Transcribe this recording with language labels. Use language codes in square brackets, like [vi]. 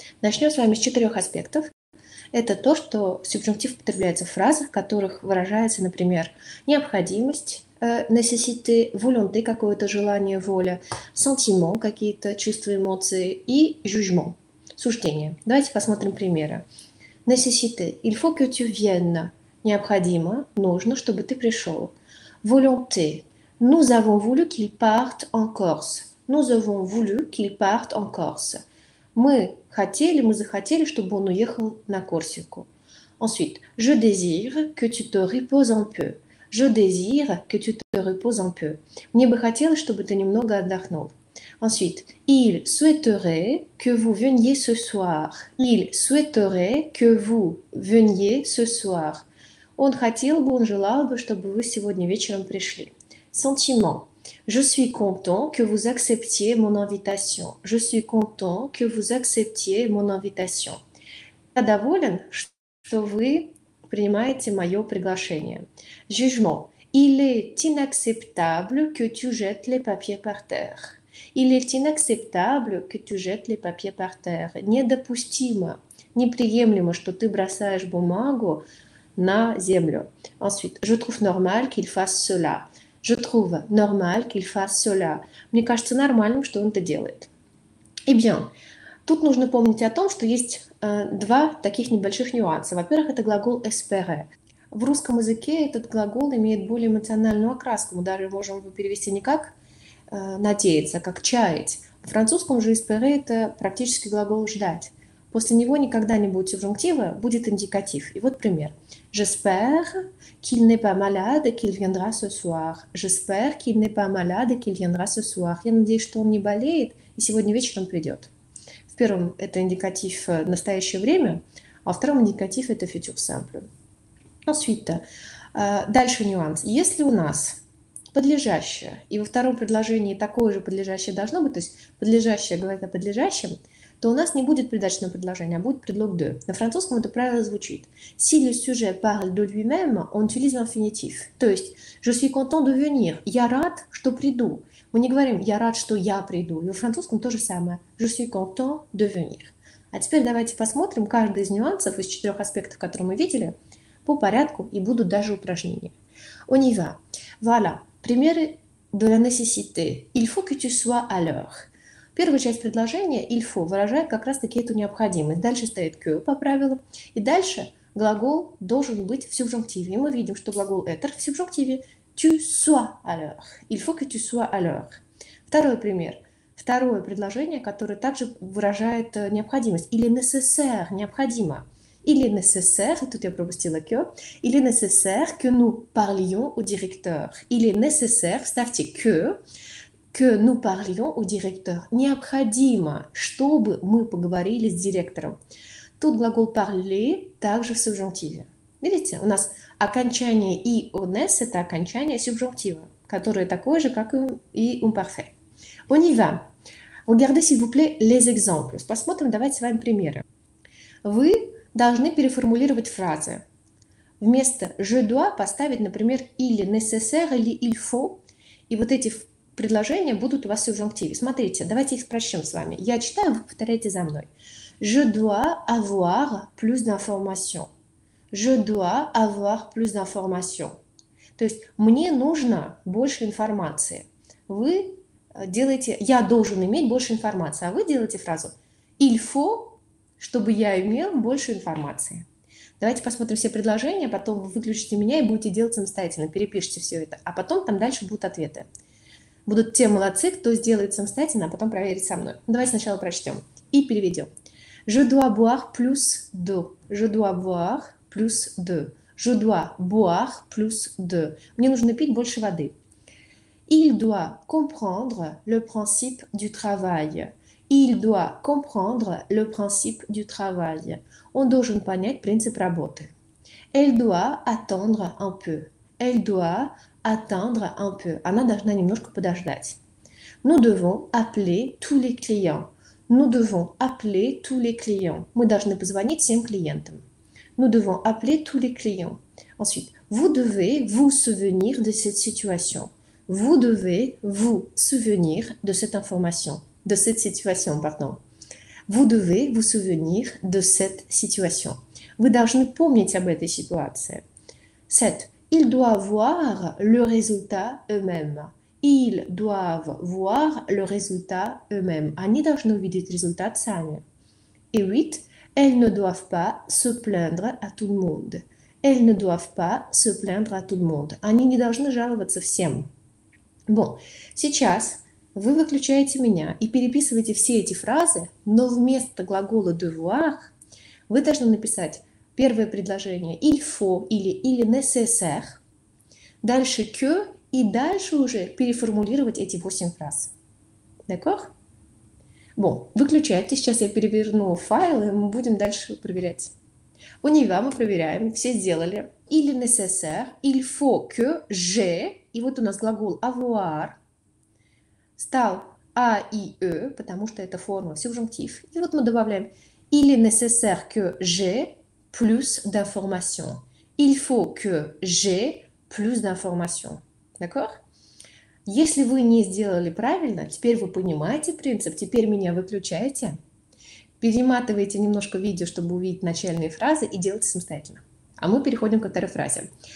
[ru] Начнем с вами с четырех аспектов. Это то, что субжунктив употребляется в фразах, в которых выражается, например, необходимость, necessité, volonté, какое-то желание, воля, sentiment, какие-то чувства, эмоции, и jugement, суждение. Давайте посмотрим примеры. [fr] Necessité. Il faut que tu viennes. [ru] Необходимо, нужно, чтобы ты пришел. [fr] Volonté. Nous avons voulu qu'il parte en Corse. Nous avons voulu qu'il parte en Corse. [ru] Мы захотели, чтобы он уехал на Корсику. [fr] Ensuite, je désire que tu te reposes un peu. Je désire que tu te reposes un peu. [ru] Мне бы хотелось, чтобы ты немного отдохнул. [fr] Ensuite, il souhaiterait que vous veniez ce soir. Il souhaiterait que vous veniez ce soir. [ru] Он хотел бы, он желал бы, чтобы вы сегодня вечером пришли. [fr] Sentiment. Je suis content que vous acceptiez mon invitation. Je suis content que vous acceptiez mon invitation. [ru] Я доволен, что вы принимаете мое приглашение. [fr] Jugement. Il est inacceptable que tu jettes les papiers par terre. Il est inacceptable que tu jettes les papiers par terre. [ru] Недопустимо. Неприемлемо, что ты бросаешь бумагу на землю. [fr] Ensuite, je trouve normal qu'il fasse cela. Je trouve normal qu'il fasse cela. [ru] Мне кажется нормальным, что он это делает. [fr] Eh bien, [ru] тут нужно помнить о том, что есть два таких небольших нюанса. Во-первых, это глагол espérer. В русском языке этот глагол имеет более эмоциональную окраску. Мы даже можем его перевести не как надеяться, а как чаять. В французском же espérer — это практически глагол ждать. После него никогда не будет субжунктива, будет индикатив. И вот пример. [fr] J'espère qu'il n'est pas malade et qu'il viendra ce soir. J'espère qu'il n'est pas malade et qu'il viendra ce soir. [ru] Я надеюсь, что он не болеет и сегодня вечером придет. В первом это индикатив настоящее время, а во втором индикатив это future simple. [fr] Ensuite, [ru] дальше нюанс. Если у нас подлежащее, и во втором предложении такое же подлежащее должно быть, то есть подлежащее говорит о подлежащем, то у нас не будет предаточного предложения, а будет предлог «de». На французском это правило звучит. [fr] Si le sujet parle de lui-même, on utilise l'infinitif. [ru] То есть [fr] «je suis content de venir», [ru] «я рад, что приду». Мы не говорим «я рад, что я приду». И во французском то же самое. [fr] «Je suis content de venir». [ru] А теперь давайте посмотрим каждый из нюансов из четырех аспектов, которые мы видели, по порядку, и будут даже упражнения. [fr] On y va. Voilà. [ru] Примеры [fr] de la nécessité. Il faut que tu sois à l'heure. [ru] Первая часть предложения «il faut» выражает как раз-таки эту необходимость. Дальше стоит «que» по правилам. И дальше глагол должен быть в субжунктиве. И мы видим, что глагол «être» в субжунктиве [fr] «tu sois à l'heure». «Il faut que tu sois à l'heure». Второй пример. [ru] Второе предложение, которое также выражает необходимость. [fr] «Il est nécessaire» – [ru] необходимо. [fr] «Il est nécessaire» – [ru] тут я пропустила [fr] «que». «Il est nécessaire que nous parlions au directeur». «Il est nécessaire» – ставьте «que». Que nous parlions au directeur. [ru] Необходимо, чтобы мы поговорили с директором. Тут глагол parler также в субжунктиве. Видите, у нас окончание и onesse – это окончание субжунктива, которое такое же, как и imparfait. [fr] On y va. Regardez, s'il vous plaît, les exemples. [ru] Посмотрим, давайте с вами примеры. Вы должны переформулировать фразы. Вместо [fr] je dois [ru] поставить, например, [fr] il est nécessaire [ru] или il faut. И вот эти предложения будут у вас в субжунктиве. Смотрите, давайте их прочтем с вами. Я читаю, вы повторяете за мной. [fr] Je dois avoir plus d'informations. Je dois avoir plus d'informations. [ru] То есть мне нужно больше информации. Вы делаете, я должен иметь больше информации, а вы делаете фразу [fr] il faut, [ru] чтобы я имел больше информации. Давайте посмотрим все предложения, потом вы выключите меня и будете делать самостоятельно, перепишите все это, а потом там дальше будут ответы. Будут те молодцы, кто сделает самостоятельно, а потом проверит со мной. Давайте сначала прочтем и переведем. [fr] Je dois boire plus d'eau. Je dois boire plus d'eau. Je dois boire plus d'eau. [ru] Мне нужно пить больше воды. [fr] Il doit comprendre le principe du travail. Il doit comprendre le principe du travail. [ru] Он должен понять принцип работы. [fr] Elle doit attendre un peu. Elle doit attendre un peu. [ru] Она должна немножко подождать. [fr] Nous devons appeler tous les clients. Nous devons appeler tous les clients. [ru] Мы должны позвонить всем клиентам. [fr] Nous devons appeler tous les clients. Ensuite, Vous devez vous souvenir de cette situation. Vous devez vous souvenir de cette information, de cette situation, pardon. Vous devez vous souvenir de cette situation. [ru] Вы должны помнить об этой ситуации. [fr] 7. Ils doivent voir le résultat eux-mêmes. Ils doivent voir le résultat eux-mêmes. [ru] Они должны увидеть результат сами. [fr] Et 8. Elles ne doivent pas se plaindre à tout le monde. Elles ne doivent pas se plaindre à tout le monde. [ru] Они не должны жаловаться всем. [fr] Bon, [ru] сейчас вы выключаете меня и переписываете все эти фразы, но вместо глагола devoir вы должны написать первое предложение il faut или [fr] il nécessaire, [ru] дальше que и дальше уже переформулировать эти 8 фраз. [fr] D'accord? Bon, [ru] выключайте, сейчас я переверну файл, и мы будем дальше проверять. У него мы проверяем, все сделали. [fr] Il nécessaire, il faut que j'ai, [ru] и вот у нас глагол avoir стал a и e, потому что это форма, субжунктив. И вот мы добавляем [fr] il nécessaire que j'ai plus d'informations. Il faut que j'ai plus d'informations. D'accord? [ru] Если вы не сделали правильно, теперь вы понимаете принцип, теперь меня выключаете. Перематываете немножко видео, чтобы увидеть начальные фразы и делать самостоятельно. А мы переходим ко второй фразе.